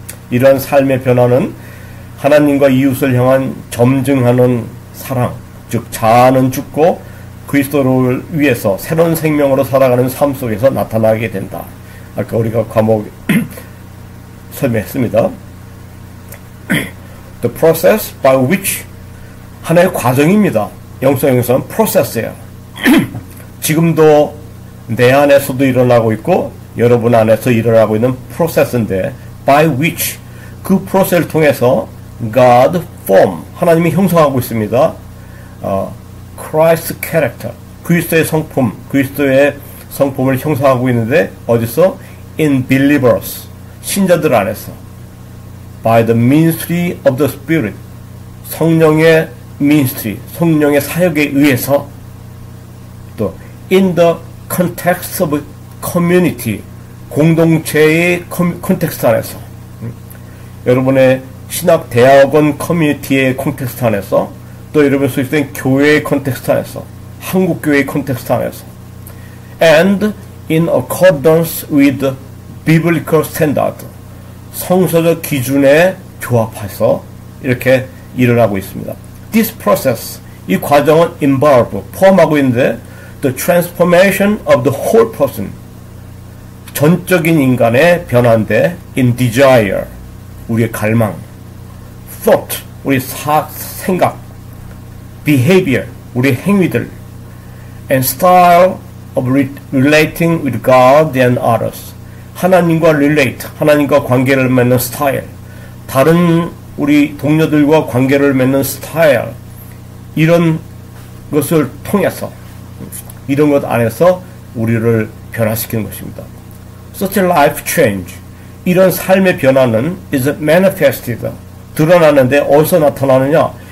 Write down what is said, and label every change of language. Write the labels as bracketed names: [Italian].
[Korean] 이러한 삶의 변화는 하나님과 이웃을 향한 점증하는 사랑, 즉 자아는 죽고 그리스도를 위해서 새로운 생명으로 살아가는 삶 속에서 나타나게 된다. 아까 우리가 과목 설명했습니다. [English] The process by which [Korean] 하나의 과정입니다. 영성형성은 process예요. 지금도 내 안에서도 일어나고 있고 여러분 안에서 일어나고 있는 process인데 by which 그 process를 통해서 God form, 하나님이 형성하고 있습니다. Christ's character, 그리스도의 성품, 그리스도의 성품을 형성하고 있는데 어디서? [English] In believers, [Korean] 신자들 안에서. [English] By the ministry of the Spirit, [Korean] 성령의 ministry, 성령의 사역에 의해서. [English] 또 In the context of community, [Korean] 공동체의 컨텍스트 안에서. 여러분의 신학 대학원 커뮤니티의 컨텍스트 안에서, 또 여러분 소속된 교회의 컨텍스트 안에서, 한국 교회의 컨텍스트 안에서, [English] and in accordance with biblical standard, [Korean] 성서적 기준에 조합해서 이렇게 일을 하고 있습니다. [English] This process, [Korean] 이 과정은 [English] involve [Korean] 포함하고 있는데, [English] the transformation of the whole person, [Korean] 전적인 인간의 변화인데, [English] in desire, [Korean] 우리의 갈망. [English] Thought, [Korean] 우리 생각, [English] behavior, [Korean] 우리 행위들, [English] and style of relating with God and others. [Korean] 하나님과 relate, 하나님과 관계를 맺는 style, 다른 우리 동료들과 관계를 맺는 style, 이런 것을 통해서, 이런 것 안에서 우리를 변화시키는 것입니다. [English] Such a life change, [Korean] 이런 삶의 변화는 [English] is manifested, [Korean] 드러나는데 어디서 나타나느냐?